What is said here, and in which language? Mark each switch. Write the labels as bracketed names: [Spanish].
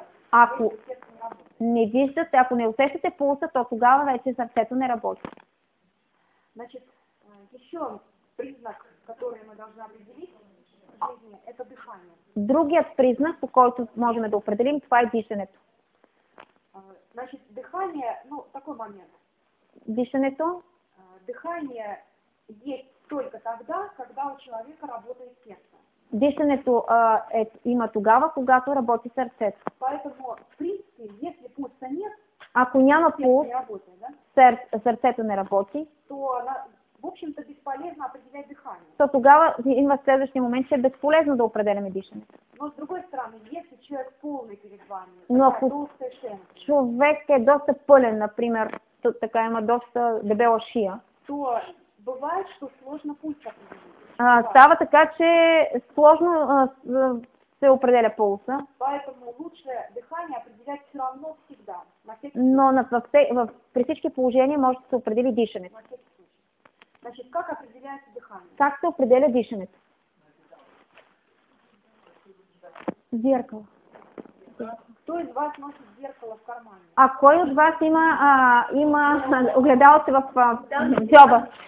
[Bulgarian] Ако не виждате, ако не усещате пулса, то тогава вече сърцето не работи. [Russian] Значит, еще признак, который мы должны определить в жизни, это дыхание. [Bulgarian] Другият признак, по който можем да определим, това е дишането. [Russian] Значит, дыхание, ну, такой момент. [Bulgarian] Дишането? [Russian] Дыхание есть только тогда, когда у человека работает сердце. [Bulgarian] Дишането има тогава, когато работи сърцето. [Russian] Поэтому, в принципе, если пулса нет, [Bulgarian] ако няма пулс, сърцето не работи, [Russian] то, в общем-то, бесполезно определять дыхание. [Bulgarian] То тогава има следващия момент, че е безполезно да определяме дишането. [Russian] Но с другой стороны, если человек полный перед вами, [Bulgarian] но ако човек е доста пълен, например, така има доста дебела шия, [Russian] то бывает, что сложно пулс определить. [Bulgarian] Става така, че сложно се определя пулса. [Russian] Поэтому лучше дыхание определять все равно всегда. [Bulgarian] Но при всички положения може да се определи дишането. [Russian] Значит, как определяется дыхание? [Bulgarian] Как се определя дишането? [Russian] Зеркало. Кто из вас носит зеркало в кармане? [Bulgarian] А кой от вас има огледало се в джоба?